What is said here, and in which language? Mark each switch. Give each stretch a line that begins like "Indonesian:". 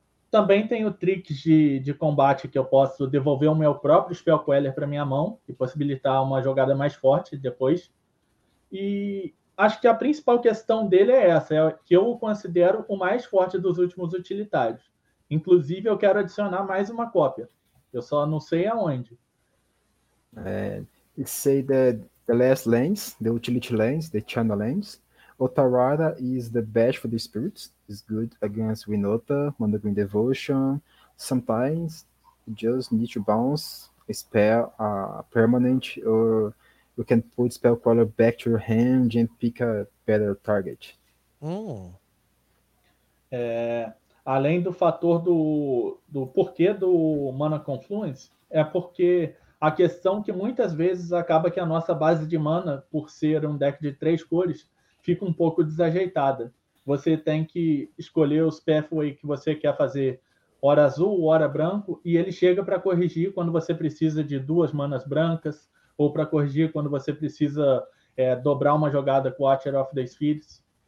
Portuguese: Também tem o trick de combate que eu posso devolver o meu próprio Spellqueller para minha mão e possibilitar uma jogada mais forte depois. E acho que a principal questão dele é essa, é que eu o considero o mais forte dos últimos utilitários. Inclusive, eu quero adicionar mais uma cópia. Eu só não sei aonde.
English: Say that The Last Lands, The Utility Lands, The Channel Lands. Otarada is the best for the spirits. It's good against Winota, Mana Green Devotion. Sometimes you just need to bounce a spell, permanent, or you can put spell color back to your hand and pick a better target.
Portuguese: É, além do fator do porquê do Mana Confluence, é porque a questão que muitas vezes acaba que a nossa base de mana, por ser um deck de três cores, fica um pouco desajeitada. Você tem que escolher os pathway que você quer fazer, hora azul ou hora branco, e ele chega para corrigir quando você precisa de duas manas brancas, ou para corrigir quando você precisa dobrar uma jogada com Watcher of the Spheres.